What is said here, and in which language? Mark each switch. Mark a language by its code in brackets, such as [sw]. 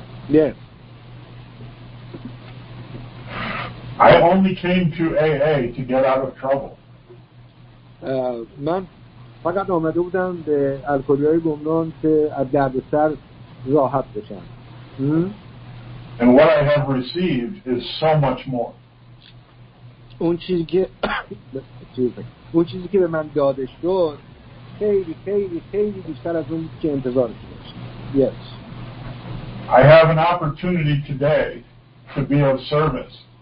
[fa] نه [en] I only came to AA to get out of trouble. [fa] من فقط آمده بودم به الکلی‌های گمنام که از درد سر راحت بشم. [en] And what I have received is so much more. [fa] اون چیزی که به من داده شد خیلی خیلی خیلی بیشتر از اون که انتظار داشتم. [en] Yes. I have an opportunity today to be of service.